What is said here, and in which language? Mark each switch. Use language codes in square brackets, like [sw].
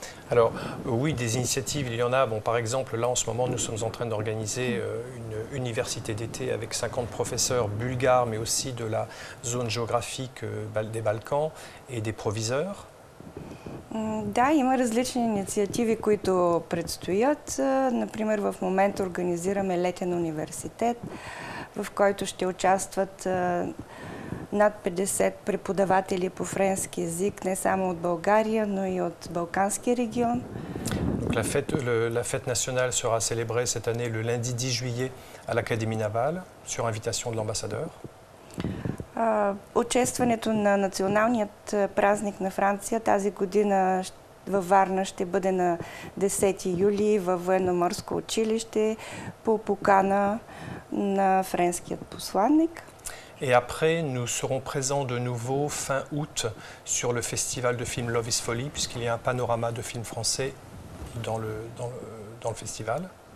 [fr] Alors, oui, des initiatives, il y en a. Bon, par exemple, là, en ce moment, nous sommes en train d'organiser une université d'été avec 50 professeurs bulgares, mais aussi de la zone géographique des Balkans et des proviseurs. [bg] Да, има различни инициативи, които предстоят. Например, в момента организираме летен университет, в който ще участват над 50 преподаватели по френски език, не само от България, но и от Балкански регион. [fr] Donc la fête nationale sera célébrée cette année le lundi 10 juillet à l'Académie navale sur invitation de l'ambassadeur. [bg] Участването на националният празник на Франция тази година във Варна ще бъде на 10 юли във военно-морско училище по покана на френският посланник. [fr] Et après nous serons présents de nouveau fin août sur le festival de film Love is Folly puisqu'il y a un panorama de films français dans le festival.